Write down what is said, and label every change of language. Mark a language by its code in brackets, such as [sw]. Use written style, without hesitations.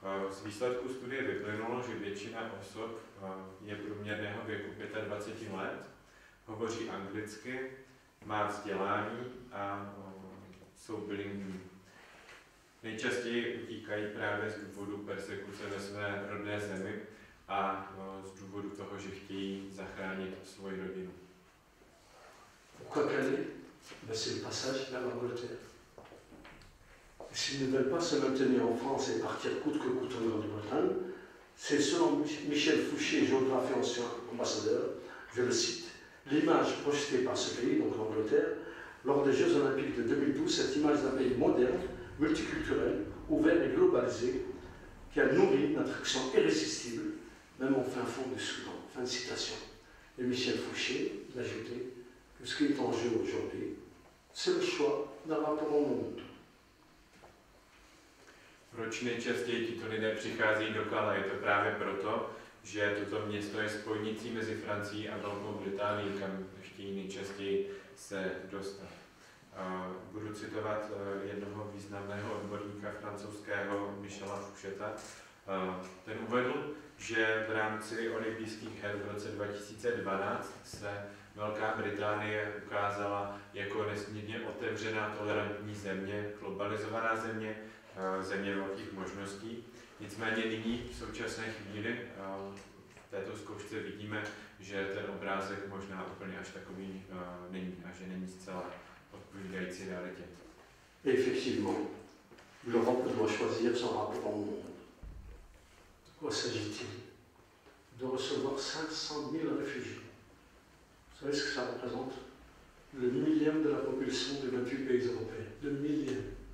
[cs] Z výsledku studie vyplynulo, že většina osob je průměrného věku 25 let, hovoří anglicky, má vzdělání a jsou bilingvní. Nejčastěji utíkají právě z důvodu persekuce ve své rodné zemi a z důvodu toho, že chtějí zachránit svoji rodinu. [fr] Pourquoi qu'elle est le passage vers l'Angleterre? S'ils ne veulent pas se maintenir en France et partir coûte que coûte en Grande-Bretagne, c'est selon Michel Fouché, géographe et ancien ambassadeur, je le cite, l'image projetée par ce pays, donc l'Angleterre, lors des Jeux Olympiques de 2012, cette image d'un pays moderne, multiculturel, ouvert et globalisé, qui a nourri une attraction irrésistible, même au fin fond du Soudan. Fin de citation. Et Michel Fouché d'ajouter que ce qui est en jeu aujourd'hui, c'est le choix d'un rapport au monde. [cs] Proč nejčastěji tito lidé přicházejí do Calais? Je to právě proto, že toto město je spojnicí mezi Francií a Velkou Británií, kam chtějí nejčastěji se dostat. Budu citovat jednoho významného odborníka francouzského Michela Foucheta. Ten uvedl, že v rámci olympijských her v roce 2012 se Velká Británie ukázala jako nesmírně otevřená, tolerantní země, globalizovaná země, země velkých možností. Nicméně nyní, v současné chvíli, v této zkoušce vidíme, že ten obrázek možná úplně až takový není a že není zcela odpovídající realitě. [fr] Effectivement, l'Europe doit choisir son rapport au monde. De quoi s'agit-il? De recevoir 500 000 réfugiés. Vous savez ce que ça représente? Le millième de la population des 28 pays européens. Le millième.